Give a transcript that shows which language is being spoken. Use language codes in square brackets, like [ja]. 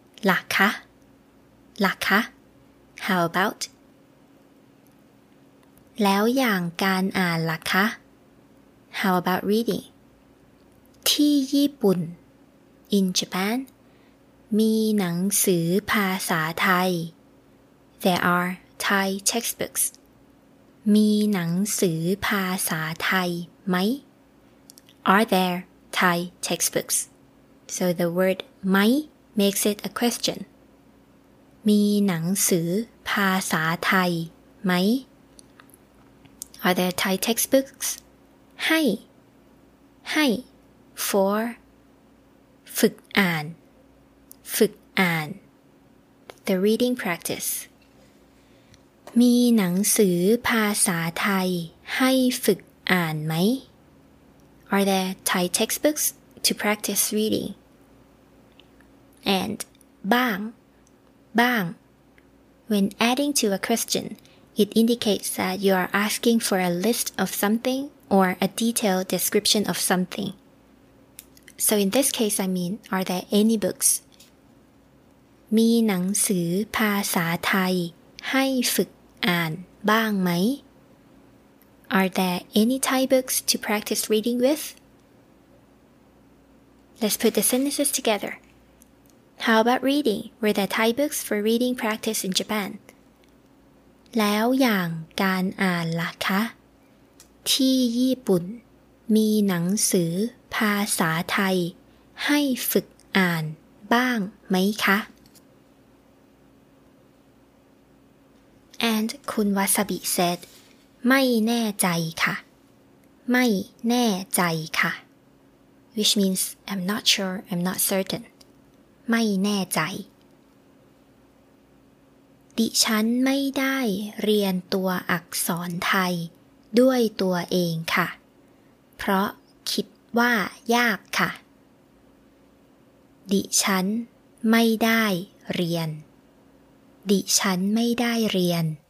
[th] ล่ะคะ? ล่ะคะ? [en] How about? [th] แล้วอย่างการอ่านล่ะคะ [en] How about reading? [th] ที่ญี่ปุ่น [en] In Japan [th] มีหนังสือภาษาไทย [en] There are Thai textbooks [th] มีหนังสือภาษาไทยไหม [en] Are there Thai textbooks? So the word ไหม makes it a question [th] มีหนังสือภาษาไทยไหม [en] Are there Thai textbooks? [th] ใช่ ใช่ [en] For [th] ฝึกอ่านฝึกอ่าน [en] The reading practice [th] มีหนังสือภาษาไทยให้ฝึกอ่านไหม [en] Are there Thai textbooks to practice reading? And [th] บ้างบ้าง [en] When adding to a question,It indicates that you are asking for a list of something or a detailed description of something. So in this case, I mean, are there any books? [th] มีหนังสือภาษาไทยให้ฝึกอ่านบ้างไหม? [en] Are there any Thai books to practice reading with? Let's put the sentences together. How about reading? Were there Thai books for reading practice in Japan? [th] แล้วอย่างการอ่านล่ะคะที่ญี่ปุ่นมีหนังสือภาษาไทยให้ฝึกอ่านบ้างไหมคะ [en] And คุณวาซาบิ said [th] ไม่แน่ใจค่ะไม่แน่ใจค่ะ [en] which means I'm not sure I'm not certain [th] ไม่แน่ใจดิฉันไม่ได้เรียนตัวอักษรไทยด้วยตัวเองค่ะเพราะคิดว่ายากค่ะดิฉันไม่ได้เรียนดิฉันไม่ได้เรียน